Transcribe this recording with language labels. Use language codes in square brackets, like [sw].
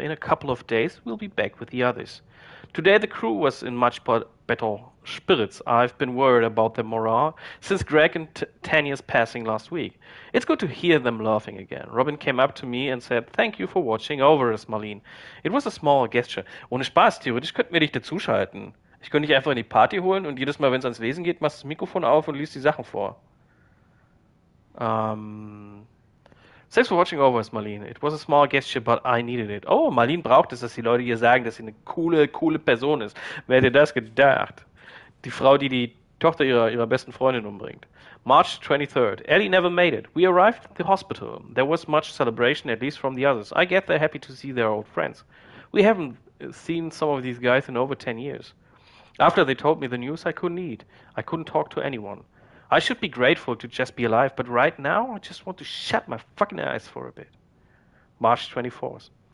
[en] In a couple of days, we'll be back with the others. Today, the crew was in much better spirits. I've been worried about their morale since Greg and Tanya's passing last week. It's good to hear them laughing again. Robin came up to me and said, thank you for watching over us, Marlene. It was a small gesture. [de] Ohne Spaß, theoretisch könnten wir dich dazuschalten. Ich könnte dich einfach in die Party holen und jedes Mal, wenn es ans Lesen geht, machst du das Mikrofon auf und liest die Sachen vor. [en] Thanks for watching over us, Marlene. It was a small gesture, but I needed it. [de] Oh, Marlene braucht es, dass die Leute ihr sagen, dass sie eine coole, coole Person ist. Wer hätte das gedacht? Die Frau, die die Tochter ihrer besten Freundin umbringt. [en] March 23rd. Ellie never made it. We arrived at the hospital. There was much celebration, at least from the others. I guess they're happy to see their old friends. We haven't seen some of these guys in over 10 years. After they told me the news, I couldn't eat. I couldn't talk to anyone. I should be grateful to just be alive, but right now I just want to shut my fucking eyes for a bit. March 24th.